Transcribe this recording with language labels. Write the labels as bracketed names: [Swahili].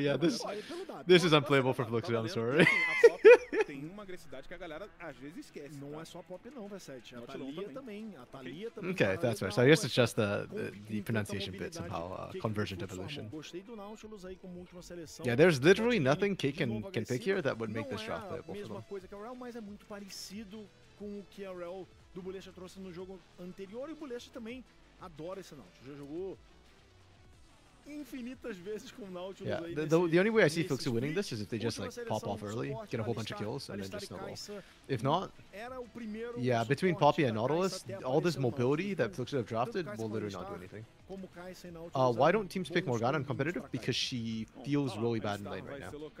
[English] Yeah, this is unplayable for Fluxo, I'm sorry. [Portuguese] Tem uma agressividade que a galera às vezes esquece. Não é só a pop não, V7. A Thalia também. A Thalia também. [English] Okay, that's right. So I guess it's just the pronunciation bit somehow. Convergent evolution. [Portuguese] Gostei do Nautilus aí como última seleção. [English] Yeah, there's literally nothing Kay can pick here that would make this draft playable for them. [Portuguese] Mas é muito parecido com o que a Rell do Bulecha trouxe no jogo anterior. E o Bulecha também adora esse Nautilus. Já jogou em infinitas vezes com o Nautilus. [English] Yeah, the only way I see Fluxu winning this is if they just like pop off early, get a whole bunch of kills, and then just snowball. If not, yeah, between Poppy and Nautilus, all this mobility that Fluxu have drafted will literally not do anything. Why don't teams pick Morgana in competitive? Because she feels really bad in lane right now.